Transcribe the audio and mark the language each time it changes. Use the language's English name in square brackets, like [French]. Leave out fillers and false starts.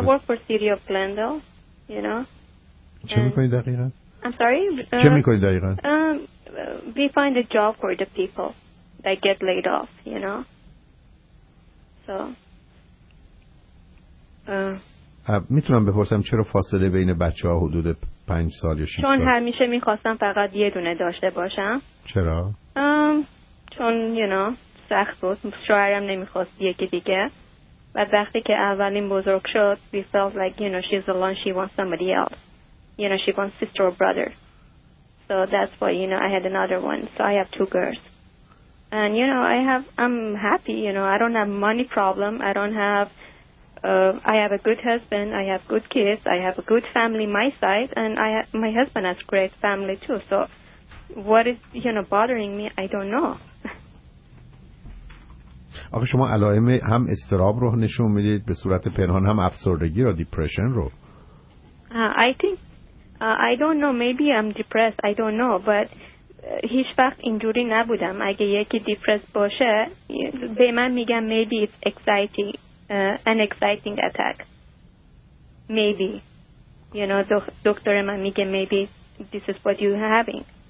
[English] I work for City of Glendale you know. [Persian] چه میکنی دقیقا؟ [English] I'm sorry. [Persian] چه میکنی دقیقا؟ [English] We find a job for the people that get laid off you know. So [Persian] میتونم بپرسم چرا فاصله بین بچه ها حدود 5 سال یا 6 سال؟ چون همیشه میخواستم فقط یه دونه داشته باشم. چرا؟ چون [English] you know [Persian] سخت بود، شوهرم نمیخواست یکی دیگه و وقتی که اولین بزرگ شد [English] we felt like you know she's alone, she wants somebody else you know, she wants sister or brother so that's why you know I had another one so I have 2 girls and you know I'm happy you know, I don't have money problem, I don't have I have a good husband, I have good kids, I have a good family my side and my husband has great family too. So what is you know bothering me? I don't know. [Persian] آخه شما علائم هم استراب رو نشون میدید به صورت پنهان، هم افسردگی رو، دیپریشن رو. [English] I think I don't know, maybe I'm depressed. I don't know, but [Persian] هیچ وقت اینجوری نبودم. اگه یکی دیپرس باشه به من میگم [English] maybe it's anxiety. An exciting attack. Maybe. You know, [Persian] دکتر من میگه [English] maybe this is what you're having.